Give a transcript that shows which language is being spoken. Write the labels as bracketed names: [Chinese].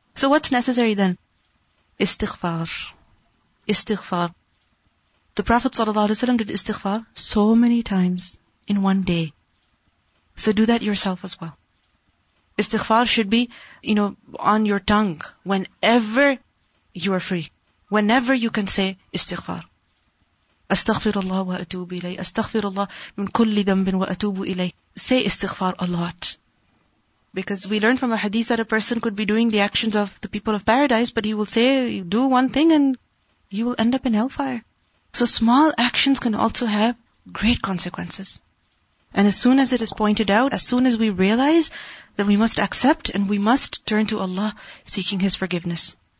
[English] So what's necessary then? Istighfar. Istighfar. The Prophet ﷺ did istighfar so many times in one day. So do that yourself as well. Istighfar should be, you know, on your tongue whenever you are free. Whenever you can say istighfar. [Arabic] أستغفر الله وأتوب إليه أستغفر الله من كل ذنب وأتوب إليه. [English] Say istighfar a lot. Because we learn from a hadith that a person could be doing the actions of the people of paradise, but he will say, do one thing and you will end up in hellfire. So small actions can also have great consequences. And as soon as it is pointed out, as soon as we realize that we must accept and we must turn to Allah seeking His forgiveness.